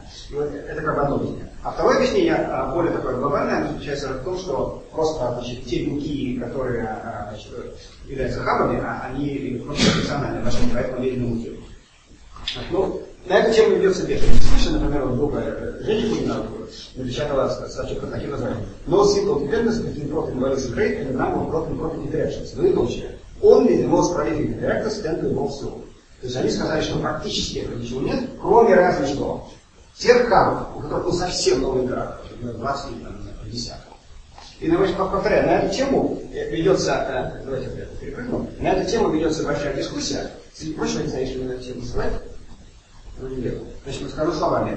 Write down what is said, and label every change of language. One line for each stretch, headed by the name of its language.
Russian: И вот это как бы одно объяснение. А второе объяснение, более такое глобальное, заключается в том, что просто, значит, те белки, которые, значит, являются хабами, они просто функциональные машины, поэтому медленно мутируют. Ну, на эту тему ведется бешеный. Слышали, например, вот другая женщина, напечатала сообщение под таким названием.
English: No simple dependence between protein evolution rate and number of protein-protein interactions.
Russian: Вы получили.
English: Only the most prolific interactors tend to evolve slow.
Russian: То есть они сказали, что практически этого ничего нет, кроме разве что тех хабов, у которых был совсем новый интерактор, например, 20 или 50. И, значит, повторяю, на эту тему ведется, давайте перепрыгнем, на эту тему ведется большая дискуссия. Среди прочего, не знаю, что на эту тему называть. Значит, скажу словами.